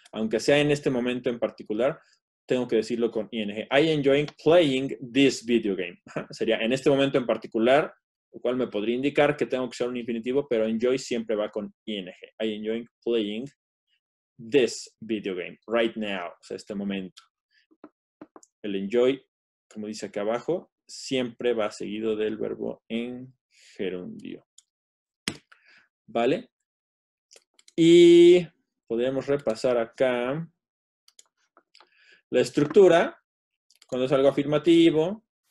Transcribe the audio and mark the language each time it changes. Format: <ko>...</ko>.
<es>Aunque sea en este momento en particular, tengo que decirlo con ing.</es> <en>I enjoy playing this video game.</en> <es>Sería en este momento en particular, lo cual me podría indicar que tengo que usar un infinitivo, pero enjoy siempre va con ing.</es> <en>I enjoy playing this video game right now.</en> <es>O sea, este momento. El enjoy, como dice acá abajo, siempre va seguido del verbo en gerundio. ¿Vale? Y podríamos repasar acá la estructura, cuando es algo afirmativo.</es>